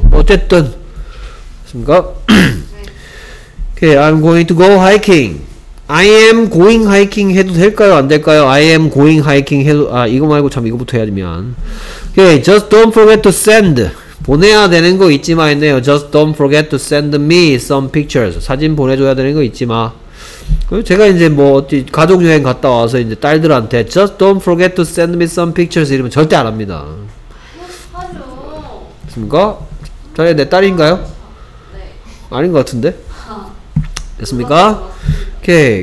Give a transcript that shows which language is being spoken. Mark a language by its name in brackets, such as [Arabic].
[English] 어쨌든 됐습니까? Okay, I'm going to go hiking. [Korean] I am going hiking 해도 될까요? 안 될까요? I am going hiking 해도, 아, 이거 말고 참 이거부터 해야 되면. [English] Okay, just don't forget to send. [Korean] 보내야 되는 거 잊지 마 했네요. [English] Just don't forget to send me some pictures. [Korean] 사진 보내줘야 되는 거 잊지 마. 제가 이제 뭐, 어디, 가족여행 갔다 와서 이제 딸들한테 just don't forget to send me some pictures 이러면 절대 안 합니다. 하죠. 됐습니까? 자, 내 딸인가요? 아닌 것 같은데? 됐습니까? 오케이.